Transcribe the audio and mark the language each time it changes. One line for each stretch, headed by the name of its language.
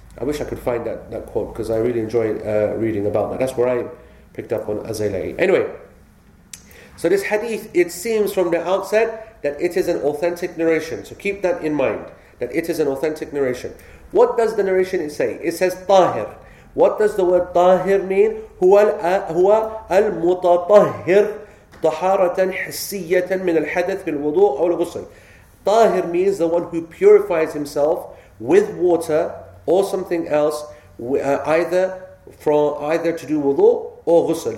English: I wish I could find that quote, because I really enjoy reading about that. That's where I picked up on Az-Zaylai. Anyway, so this hadith, it seems from the outset that it is an authentic narration. So keep that in mind, that it is an authentic narration. What does the narration say? It says, Tahir. What does the word tahir mean?
Arabic: هو المتطهر طهارة حسية من الحدث بالوضوء أو الغسل.
English: Tahir means the one who purifies himself with water or something else, either to do wudu or ghusl.